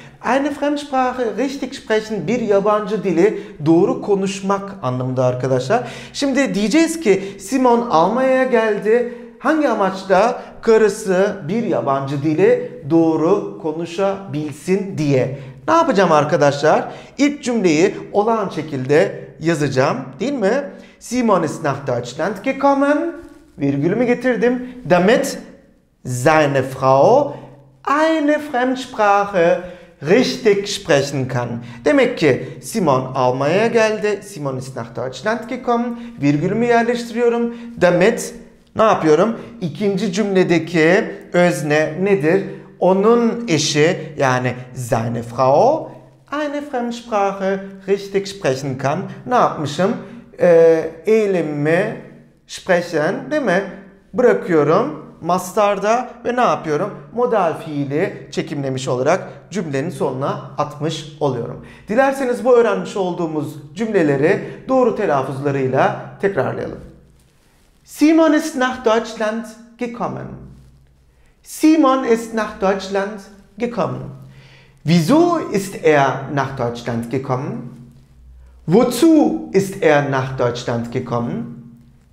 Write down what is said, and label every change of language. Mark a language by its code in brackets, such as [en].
[de] Eine Fremdsprache richtig sprechen, [tr] bir yabancı dili doğru konuşmak anlamında arkadaşlar. Şimdi diyeceğiz ki Simon Almanya'ya geldi. Hangi amaçla? Karısı bir yabancı dili doğru konuşabilsin diye. Ne yapacağım arkadaşlar? İlk cümleyi olağan şekilde yazacağım, değil mi? [de] Simon ist nach Deutschland gekommen, [tr] virgülümü getirdim, [de] damit seine Frau eine Fremdsprache richtig sprechen kann. [tr] Demek ki Simon Almanya'ya geldi, [de] Simon ist nach Deutschland gekommen, [tr] virgülümü yerleştiriyorum, damit ne yapıyorum? İkinci cümledeki özne nedir? Onun eşi, yani [de] seine Frau eine Fremdsprache richtig sprechen kann. [tr] Ne yapmışım? Eylemimi sprechen, değil mi? Bırakıyorum mastarda ve ne yapıyorum? Modal fiili çekimlemiş olarak cümlenin sonuna atmış oluyorum. Dilerseniz bu öğrenmiş olduğumuz cümleleri doğru telaffuzlarıyla tekrarlayalım. [de] Simon ist nach Deutschland gekommen. Simon ist nach Deutschland gekommen. Wieso ist nach Deutschland gekommen? Wozu ist nach Deutschland gekommen?